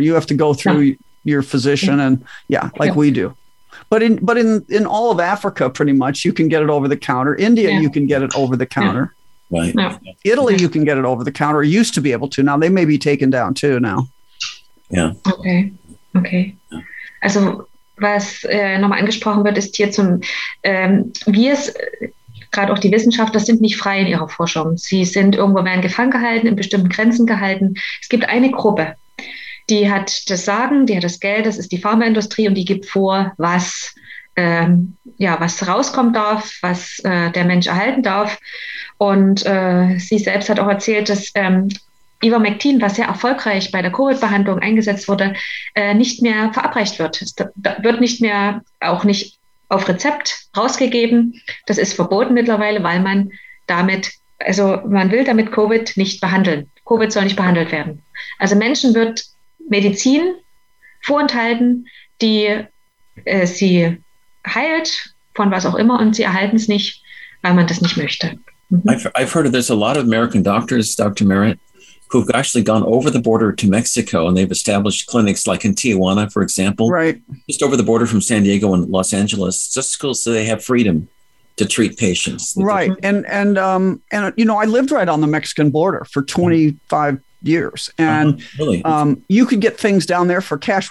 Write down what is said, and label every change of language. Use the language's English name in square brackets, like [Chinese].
[English] You have to go through your physician and we do. But in all of Africa, pretty much, you can get it over the counter. India, you can get it over the counter. Yeah. Right. No. Italy, you can get it over the counter. Used to be able to. Now they may be taken down too now. Yeah. Okay. [German] Yeah. Also, was nochmal angesprochen wird, ist hier zum, gerade auch die Wissenschaftler sind nicht frei in ihrer Forschung. Sie sind irgendwo, werden gefangen gehalten, in bestimmten Grenzen gehalten. Es gibt eine Gruppe, die hat das Sagen, die hat das Geld, das ist die Pharmaindustrie und die gibt vor, was rauskommen darf, was der Mensch erhalten darf. Und sie selbst hat auch erzählt, dass Ivermectin, was sehr erfolgreich bei der Covid-Behandlung eingesetzt wurde, nicht mehr verabreicht wird. Es wird nicht mehr, auch nicht auf Rezept rausgegeben. Das ist verboten mittlerweile, weil man damit, also man will damit Covid nicht behandeln. Covid soll nicht behandelt werden. Also Menschen wird Medizin vorenthalten, die sie heilt von was auch immer und sie erhalten es nicht, weil man das nicht möchte. Mhm. [English] I've heard there's a lot of American doctors, Dr. Merritt, who've actually gone over the border to Mexico and they've established clinics like in Tijuana, for example, right, just over the border from San Diego and Los Angeles, just so they have freedom to treat patients. Right. And you know, I lived right on the Mexican border for 25 years and you could get things down there for cash.